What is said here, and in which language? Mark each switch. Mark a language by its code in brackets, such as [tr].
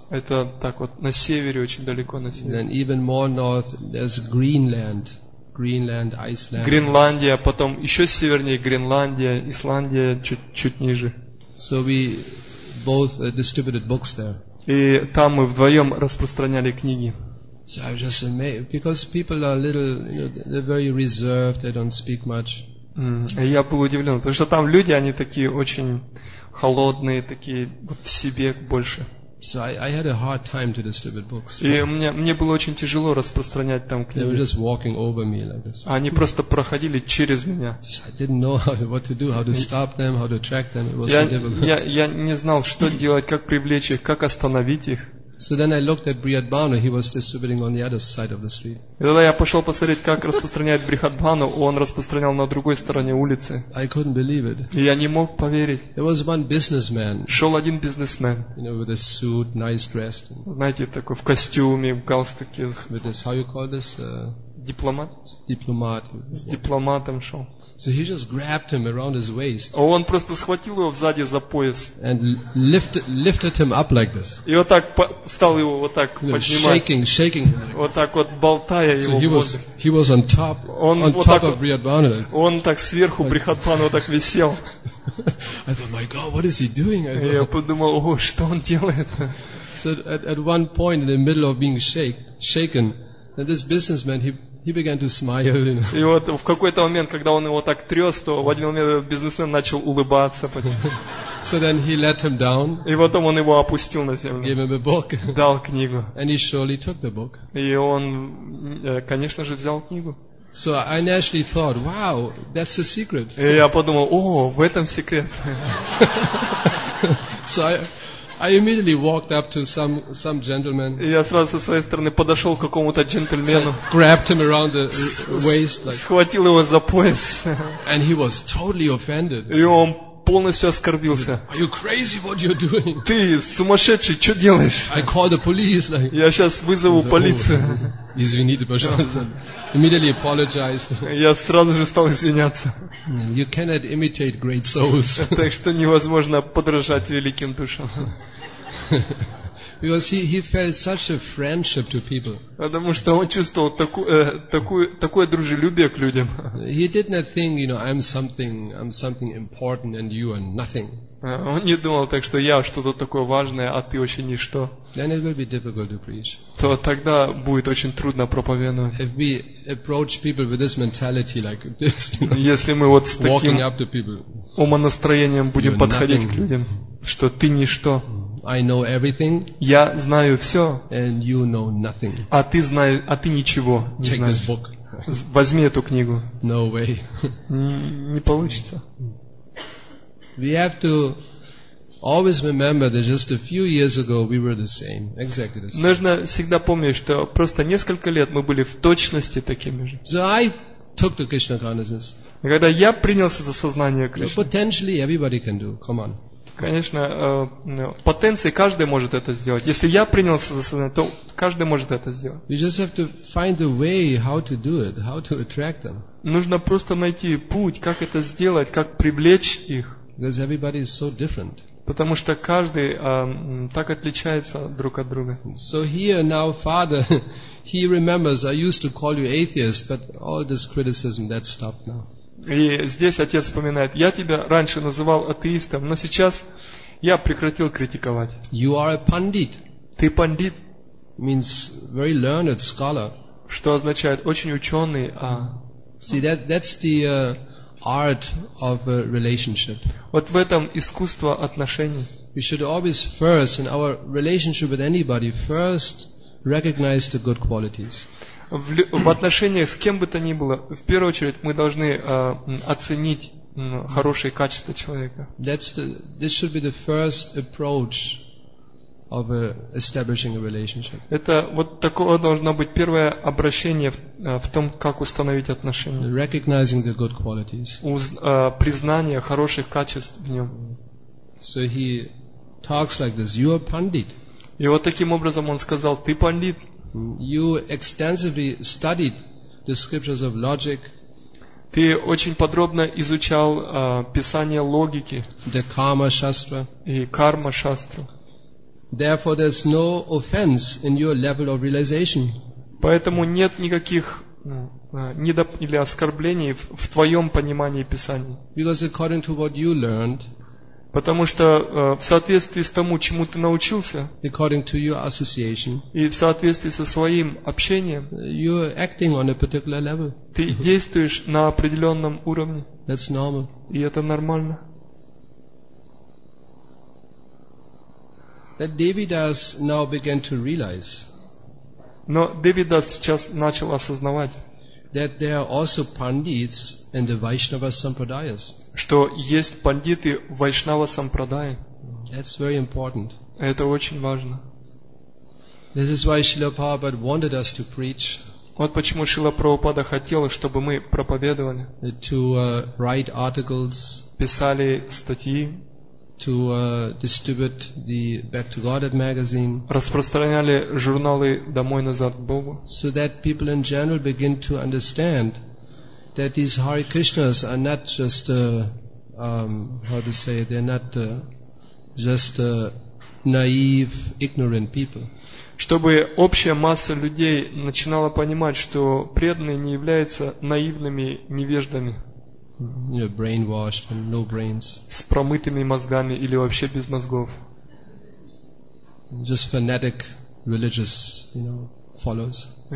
[ru] Это так вот на севере, очень далеко на севере. [en] Then even more north, there's Greenland, Iceland. [ru] Гренландия, потом еще севернее Гренландия, Исландия чуть-чуть ниже. [en] So we both distributed books there. [ru] И там мы вдвоем распространяли книги. [en] So I was just amazed because people are a little, you know, they're very reserved. They don't speak much. [ru] Я был удивлен, потому что там люди, они такие очень холодные, такие вот в себе больше. [en] So I had a hard time to distribute books. [ru] И мне было очень тяжело распространять там книги. [en] They were just walking over me like this. [ru] Они просто проходили через меня. [en] I didn't know what to do, how to stop them, how to track them. It was so difficult. [ru] Я не знал, что делать, как привлечь их, как остановить их. [en] So then I looked at Brihat Bhanu. He was distributing on the other side of the street. [ru] Тогда я пошел посмотреть, как распространяет Брихат Бхану. Он распространял на другой стороне улицы. [en] I couldn't believe it. [ru] Я не мог поверить. [en] There was one businessman. [ru] Шел один бизнесмен. [en] You know, with a suit, nice dressed. [ru] Знаете, такой в костюме, в галстуке. [en] With this, how you call this? [ru] Дипломат. Дипломат. С дипломатом шел. [en] So he just grabbed him around his waist. [ru] Он просто схватил его сзади за пояс. [en] And lifted him up like this. [ru] И вот так стал его вот так поднимать. [en] Shaking him. Like [ru] вот так вот болтая [en] so [ru] его. [en] He was on top. On [ru] вот [en] top of Brihat Bhanu. [ru] Он так сверху Брихат Бхану так висел. [en] I thought, my God, what is he doing? [ru] Я подумал, о, что он делает? [en] So at one point in the middle of being shaken, and this businessman he began to smile. You know. [ru] И вот в какой-то момент, когда он его так трёс, то в один момент этот бизнесмен начал улыбаться. [en] So then he let him down. [ru] И потом он его опустил на землю. [en] Gave him a book. [ru] Дал книгу. [en] And he surely took the book. [ru] И он, конечно же, взял книгу. [en] So I naturally thought, wow, that's the secret. [ru] И я подумал, о, в этом секрет. [en] So I immediately walked up to some gentleman. [ru] Я сразу со своей стороны подошел к какому-то джентльмену. [en] Grabbed him around the waist. [ru] Схватил его за пояс. [en] And he was totally offended. [ru] И он полностью оскорбился. [en] Are you crazy? What you're doing? [ru] Ты сумасшедший? Что делаешь? [en] I called the police. [ru] Я сейчас вызову полицию. Извините, пожалуйста. [en] Immediately apologized. [ru] Я сразу же стал извиняться. [en] You cannot imitate great souls. [ru] Так что невозможно подражать великим душам. [en] Because he felt such a friendship to people. [ru] Потому что он чувствовал такое дружелюбие к людям. [en] He did not think, you know, I'm something important and you are nothing. [ru] Он не думал так, что я что-то такое важное, а ты вообще ничто. [en] Then it will be difficult to preach. [ru] То тогда будет очень трудно проповедовать. [en] If we approach people with this mentality like this, you know, [ru] если мы вот с таким [en] people, [ru] умонастроением будем подходить [en] nothing. [ru] К людям, что ты ничто. [en] I know everything. [ru] Я знаю все. [en] And you know nothing. [ru] А ты ничего не [en] Take [ru] знаешь. [en] This book. [ru] Возьми эту книгу. [en] No way. [ru] Не получится. [en] We have to always remember that just a few years ago we were the same, exactly the same. [ru] Нужно всегда помнить, что просто несколько лет мы были в точности такими же. [en] So I took to Krishna consciousness. [ru] Когда я принялся за сознание Кришны. [en] Potentially everybody can do. Come on. [ru] Конечно, потенции каждый может это сделать. Если я принялся за сознание, то каждый может это сделать. [en] You just have to find a way how to do it, how to attract them. [ru] Нужно просто найти путь, как это сделать, как привлечь их. [en] Because everybody is so different. [ru] Потому что каждый так отличается друг от друга. [en] So here now, Father, he remembers. I used to call you atheist, but all this criticism that stopped now. [ru] И здесь отец вспоминает: я тебя раньше называл атеистом, но сейчас я прекратил критиковать. [en] You are a pandit. [ru] Ты пандит. [en] Means very learned scholar. [ru] Что означает очень ученый. [en] See that's the art of a relationship. [ru] Вот в этом искусство отношений. [en] We should always first in our relationship with anybody first recognize the good qualities. [ru] В отношениях с кем бы то ни было, в первую очередь мы должны оценить хорошие качества человека. [en] This should be the first approach of establishing a relationship. [ru] Это вот такое должно быть первое обращение в том, как установить отношения. [en] Recognizing the good qualities. [ru] Признание хороших качеств в нем. [en] So he talks like this. You are pandit. [ru] И вот таким образом он сказал: ты пандит. [en] You extensively studied the scriptures of logic. [ru] Ты очень подробно изучал писание логики. [en] The karma shastra. [ru] И карма шастру. [en] Therefore, there's no offense in your level of realization. [ru] Поэтому нет никаких или оскорблений в твоем понимании Писания. [en] Because according to what you learned. [ru] Потому что в соответствии с тому, чему ты научился. [en] According to your association. [ru] И в соответствии со своим общением. [en] You're acting on a particular level. [ru] Ты действуешь на определенном уровне. [en] That's normal. [ru] И это нормально. [en] that Devidas now began to realize. [ru] Но Девидас сейчас начал осознавать, [en] that there are also pandits in the Vaishnava sampradayas. [ru] Что есть пандиты в Вайшнава сампрадае. [en] That's very important. [ru] Это очень важно. [en] This is why Srila Prabhupada wanted us to preach. [ru] Вот почему Шрила Прабхупада хотел, чтобы мы проповедовали. [en] To write articles. [ru] Писали статьи. [en] To distribute the Back to Godhead magazine. [ru] Распространяли журналы «Домой назад к Богу». [en] So that people in general begin to understand that these Hare Krishnas are not just naive, ignorant people. [ru] Чтобы общая масса людей начинала понимать, что преданные не являются наивными невеждами. [en] You know, brainwashed and no brains. [ru] С промытыми мозгами или вообще без мозгов. [en] Just fanatic religious, you know, followers.